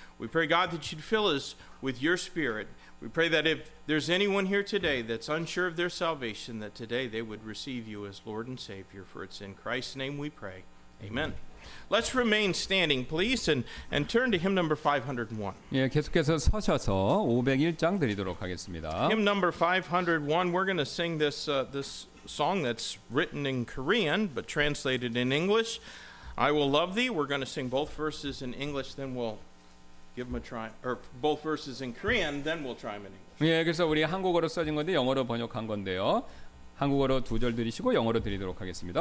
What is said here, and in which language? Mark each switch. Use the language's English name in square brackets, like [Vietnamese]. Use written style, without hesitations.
[English] We pray, God, that you'd fill us with your spirit. We pray that if there's anyone here today that's unsure of their salvation, that today they would receive you as Lord and Savior. For it's in Christ's name we pray. Amen. Let's remain standing, please, and turn to hymn number 501. [Korean] 예, 계속해서 서셔서 501장 드리도록 하겠습니다. [English] Hymn number 501, we're going to sing this, this song that's written in Korean but translated in English. I Will Love Thee. We're going to sing both verses in English, then we'll give them a try, or both verses in Korean, then we'll try them in English. [Korean] 예, 그래서 우리 한국어로 써진 건데 영어로 번역한 건데요. 한국어로 두 절 드리시고 영어로 드리도록 하겠습니다.